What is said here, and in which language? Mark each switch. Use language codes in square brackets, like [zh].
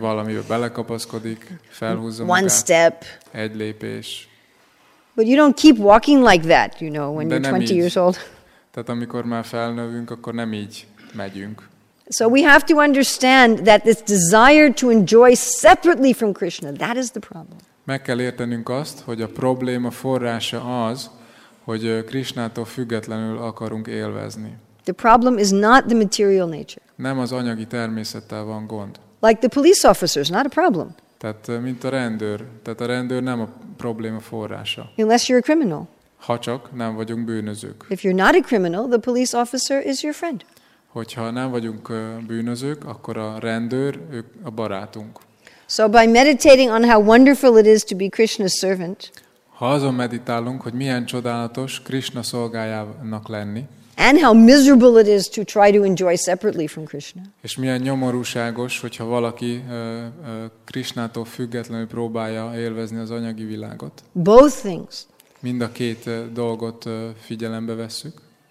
[hu] Valamibe belekapaszkodik, felhúzza magát. [en] One step. [hu] Egy lépés. [en] But you don't keep walking like that, you know, when you're 20 years old. [hu] Tehát amikor már felnövünk, akkor nem így megyünk. [en] So we have to understand that this desire to enjoy separately from Krishna, that is the problem. [hu] Meg kell értenünk azt, hogy a probléma forrása az, hogy Krishnától függetlenül akarunk élvezni. [en] The problem is not the material nature. [hu] Nem az anyagi természettel van gond. [en] Like the police officers, not a problem. [hu] Tehát mint a rendőr, tehát a rendőr nem a probléma forrása. [en] Unless you're a criminal. [hu] Ha csak nem vagyunk bűnözők. [en] If you're not a criminal, the police officer is your friend. [hu] Hogyha nem vagyunk bűnözők, akkor a rendőr ők a barátunk. [en] So by meditating on how wonderful it is to be Krishna's servant. [hu] Ha azon meditálunk, hogy milyen csodálatos Krishna szolgájának lenni. [en] And how miserable it is to try to enjoy separately from Krishna. [hu] És milyen nyomorúságos, hogyha valaki Krishnától függetlenül próbálja élvezni az anyagi világot. [en] Both things. [hu] Mind a két dolgot figyelembe vesszük.